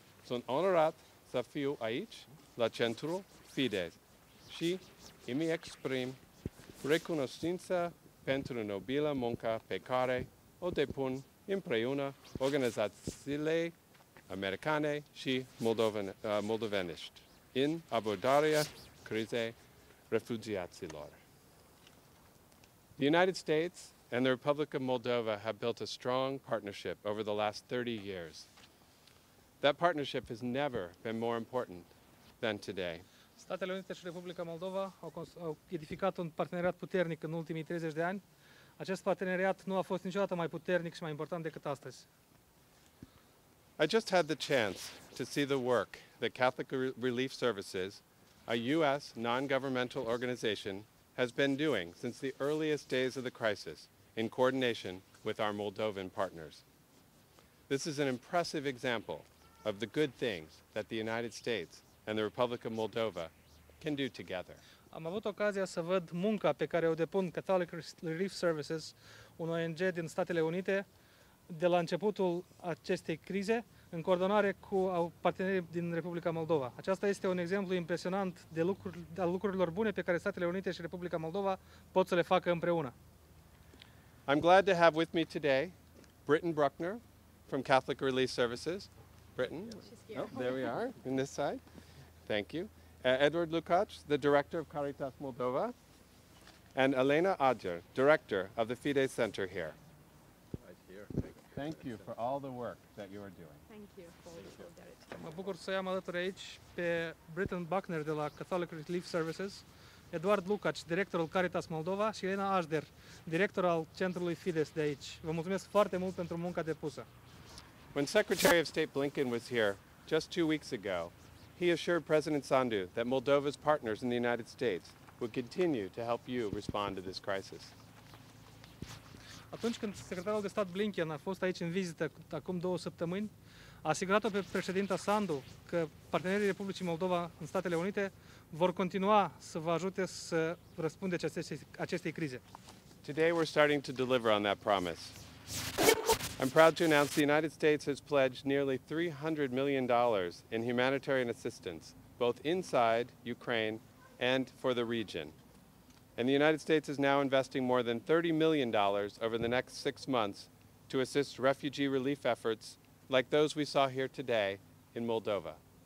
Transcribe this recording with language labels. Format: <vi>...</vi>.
<ro>Sunt onorat să fiu aici, la Centrul Fidesz, și îmi exprim recunoștință pentru nobila munca pe care o depun împreună organizațiile americane și moldovenești în abordarea crizei refugiaților.</ro> <en>The United States and the Republic of Moldova have built a strong partnership over the last 30 years. That partnership has never been more important than today.</en> <ro>Statele Unite și Republica Moldova au edificat un parteneriat puternic în ultimii 30 de ani. Acest parteneriat nu a fost niciodată mai puternic și mai important decât astăzi.</ro> <en>I just had the chance to see the work that Catholic Relief Services, a U.S. non-governmental organization, has been doing since the earliest days of the crisis in coordination with our Moldovan partners. This is an impressive example of the good things that the United States and the Republic of Moldova can do together.</en> <ro>Am avut ocazia să văd munca pe care o depun Catholic Relief Services, un ONG din Statele Unite, de la începutul acestei crize, în coordonare cu partenerii din Republica Moldova. Aceasta este un exemplu impresionant de lucrurilor bune pe care Statele Unite și Republica Moldova pot să le facă împreună.</ro> <en>I'm glad to have with me today Britton Bruckner from Catholic Relief Services. Britton, oh, there we are, on this side. Thank you. Edward Lukács, the director of Caritas Moldova, and Elena Adger, director of the Fidesz Center here. Thank you for all the work that you are doing. Thank you for all that.</en> <ro>Mă bucur să am alături aici pe Britton Bruckner de la Catholic Relief Services, Eduard Lukács, directorul Caritas Moldova, și Elena Adger, director al Centrului Fidesz de aici. Vă mulțumesc foarte mult pentru munca depusă.</ro> <en>When Secretary of State Blinken was here just 2 weeks ago, he assured President Sandu that Moldova's partners in the United States would continue to help you respond to this crisis.</en> <ro>Atunci când secretarul de stat Blinken a fost aici în vizită acum 2 săptămâni, a asigurat-o pe președinta Sandu că partenerii Republicii Moldova în Statele Unite vor continua să vă ajute să răspundeți acestei crize.</ro> <en>Today we're starting to deliver on that promise. I'm proud to announce the United States has pledged nearly $300 million in humanitarian assistance, both inside Ukraine and for the region. And the United States is now investing more than $30 million over the next 6 months to assist refugee relief efforts like those we saw here today in Moldova.</en>